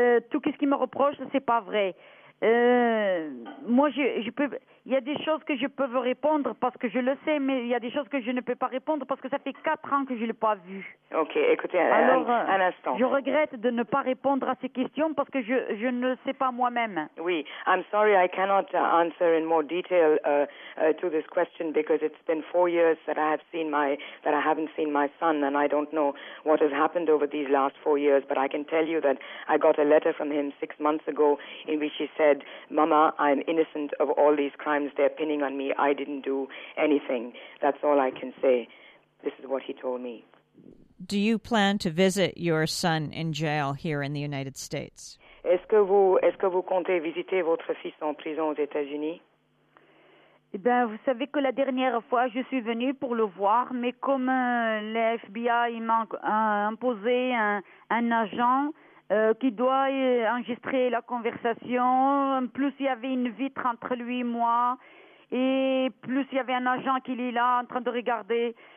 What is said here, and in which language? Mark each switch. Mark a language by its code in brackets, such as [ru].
[fr] Tout ce qu'il me reproche, ce n'est pas vrai. Moi, je peux, il y a des choses que je peux répondre parce que je le sais, mais il y a des choses que je ne peux pas répondre parce que ça fait 4 ans que je ne l'ai pas vu. » Ok, écoutez, un instant. Je regrette de ne pas répondre à ces questions parce que je ne le sais pas moi-même. [en] Oui, I'm sorry I cannot answer in more detail to this question because it's been 4 years that I have seen my, that I haven't seen my son and I don't know what has happened over these last 4 years, but I can tell you that I got a letter from him 6 months ago in which he said, Mama, I'm innocent of all these crimes they're pinning on me. I didn't do anything. That's all I can say. This is what he told me. Do you plan to visit your son in jail here in the United States? [fr] Est-ce que vous comptez visiter votre fils en prison aux États-Unis? Eh bien, vous savez que la dernière fois, je suis venue pour le voir, mais comme le FBI m'a imposé un agent qui doit enregistrer la conversation, en plus, il y avait une vitre entre lui et moi, et plus, il y avait un agent qui est là en train de regarder.